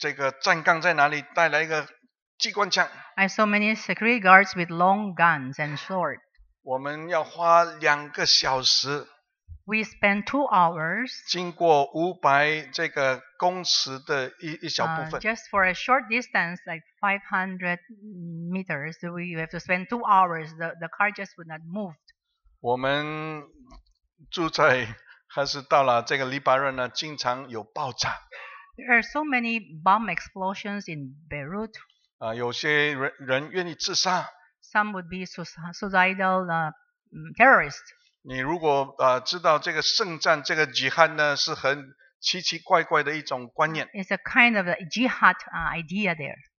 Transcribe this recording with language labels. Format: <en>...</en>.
<zh>很多所谓呢，这个站岗在哪里，带来一个。机关枪,</zh> <en>I saw many security guards with long guns and swords.</en> <zh>我们要花2个小时,</zh> <en>we spent 2 hours</en> <zh>经过500这个公尺的一小部分,</zh> <en>just for a short distance, like 500 meters, we have to spend 2 hours. The car just would not move.</en> <zh>我们住在还是到了这个黎巴嫩呢, 经常有爆炸。</zh> <en>There are so many bomb explosions in Beirut.</en> <zh>有些人愿意自杀。</zh> <en>Some would be suicidal terrorists.</en> <zh>你如果知道这个圣战这个jihad呢是很奇奇怪怪的一种观念。</zh> <en>It's a kind of a jihad idea there.</en>